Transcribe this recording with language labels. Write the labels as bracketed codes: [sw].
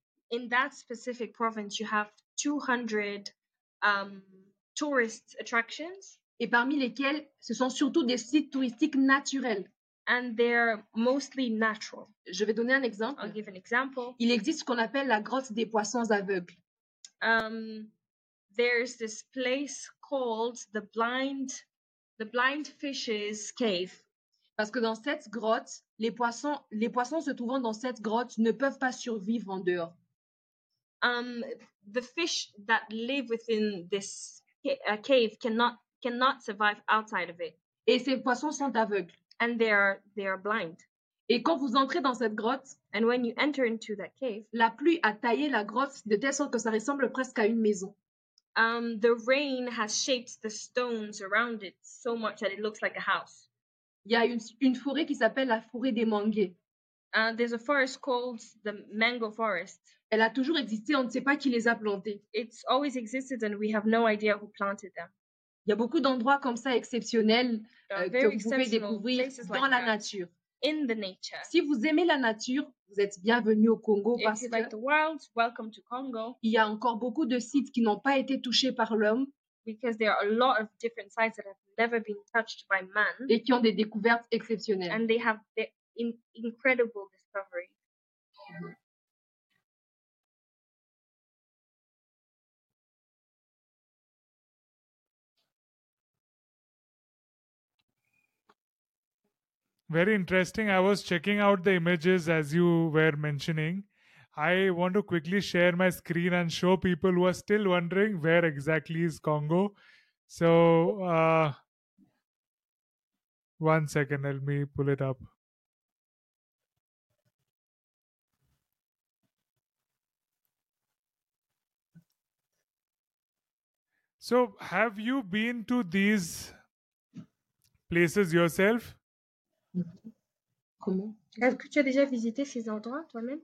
[en] In that specific province, you have 200 tourist attractions. [fr] Et parmi lesquels, ce sont surtout des sites touristiques naturels. [en] And they're mostly natural. [fr] Je vais donner un exemple. [en] I'll give an example. [fr] Il existe ce qu'on appelle la grotte des poissons aveugles. [en] There's this place called the blind fish's cave. [fr] Parce que dans cette grotte, les poissons se trouvant dans cette grotte ne peuvent pas survivre en dehors. [en] The fish that live within this cave cannot survive outside of it. [fr] Et ces poissons sont aveugles. [en] And they are blind. [fr] Et quand vous entrez dans cette grotte, [en] and when you enter into that cave, [fr] la pluie a taillé la grotte de telle sorte que ça ressemble presque à une maison. [en] The rain has shaped the stones around it so much that it looks like a house. [fr] Il y a une forêt qui s'appelle la forêt des manguiers. [en] There's a forest called the mango forest. [fr] Elle a toujours existé, on ne sait pas qui les a plantés. [en] It's always existed and we have no idea who planted them. [fr] Il y a beaucoup d'endroits comme ça exceptionnels que vous pouvez découvrir dans [en] like [fr] la [en] that. [fr] Nature. [en] In the nature. [fr] Si vous aimez la nature, vous êtes bienvenue au Congo [en] if [fr] parce [en] you like [fr] que [en] the world, welcome to Congo. [fr] Il y a encore beaucoup de sites qui n'ont pas été touchés par l'homme. [en] Because there are a lot of different sites that have never been touched by man. [fr] Et qui ont des découvertes exceptionnelles. [en] And they have incredible discoveries. Very interesting. I was checking out the images as you were mentioning. I want to quickly share my screen and show people who are still wondering where exactly is Congo. So, one second, let me pull it up. So, have you been to these places yourself? [fr] Comment? Est-ce que tu as déjà visité ces endroits toi-même?